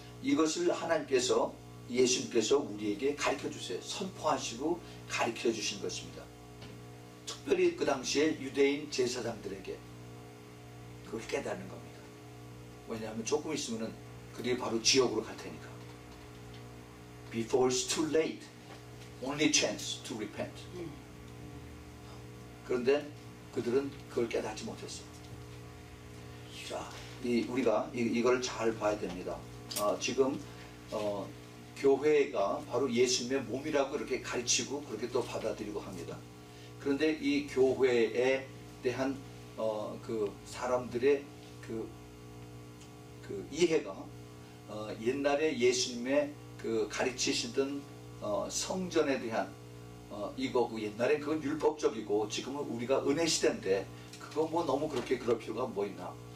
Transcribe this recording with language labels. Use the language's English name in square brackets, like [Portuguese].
[Korean] 이것을 하나님께서 예수님께서 우리에게 가르쳐 주세요. 선포하시고 가르쳐 주신 것입니다. 특별히 그 당시에 유대인 제사장들에게 그걸 깨닫는 겁니다. 왜냐하면 조금 있으면은 그들이 바로 지옥으로 갈 테니까. [English] Before it's too late, only chance to repent. [Korean] 그런데 그들은 그걸 깨닫지 못했어요. 자, 우리가 이걸 잘 봐야 됩니다. 지금 교회가 바로 예수님의 몸이라고 이렇게 가르치고 그렇게 또 받아들이고 합니다. 그런데 이 교회에 대한 그 사람들의 그 이해가 옛날에 예수님의 그 가르치시던 성전에 대한 이거고 옛날에 그건 율법적이고 지금은 우리가 은혜 시대인데 그거 뭐 너무 그렇게 그럴 필요가 뭐 있나?